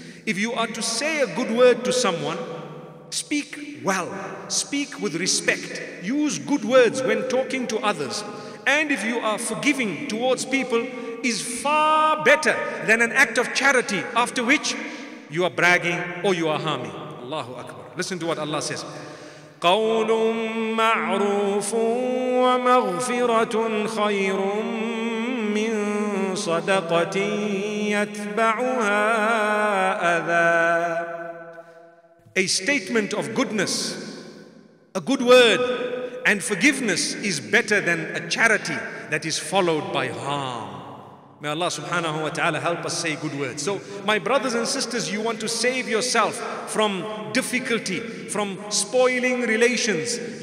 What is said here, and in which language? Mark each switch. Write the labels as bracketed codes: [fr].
[en] If you are to say a good word to someone, speak well, speak with respect, use good words when talking to others. And if you are forgiving towards people, is far better than an act of charity after which you are bragging or you are harming. Allahu Akbar. Listen to what Allah says. [ar] قَوْلٌ مَعْرُوفٌ وَمَغْفِرَةٌ خَيْرٌ مِّن صدقة يتبعها أذى. [en] A statement of goodness, a good word, and forgiveness is better than a charity that is followed by harm. May Allah subhanahu wa ta'ala help us say good words. So my brothers and sisters, you want to save yourself from difficulty, from spoiling relations.